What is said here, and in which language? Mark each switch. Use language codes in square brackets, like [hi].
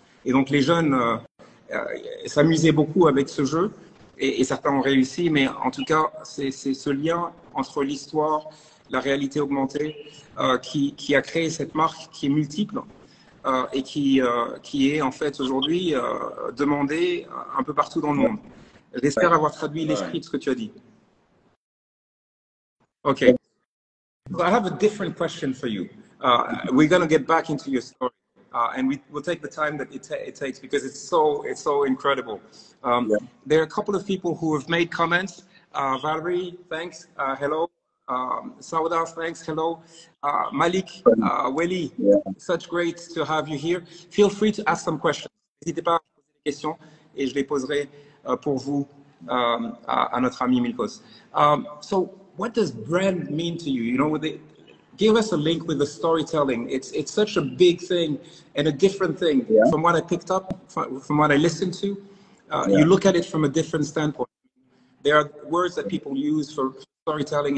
[fr] Et donc les jeunes s'amusaient beaucoup avec ce jeu et certains ont réussi, mais en tout cas, c'est ce lien entre l'histoire, la réalité augmentée qui a créé cette marque qui est multiple et qui est en fait aujourd'hui demandée un peu partout dans le monde. J'espère avoir traduit l'esprit de ce que tu as dit. [en] Ok. So I have a different question for you. We're going to get back into your story. And we'll take the time that it takes because it's so incredible. There are a couple of people who have made comments. Valerie, thanks. Hello. Sauda, thanks. Hello. Malik, Weli, yeah. Such great to have you here. Feel free to ask some questions. [fr] N'hésitez pas à poser des questions et je les poserai pour vous à notre ami Milcos. [en] So what does brand mean to you? You know, give us a link with the storytelling. It's such a big thing and a different thing from what I picked up, from what I listened to. You look at it from a different standpoint. There are words that people use for storytelling.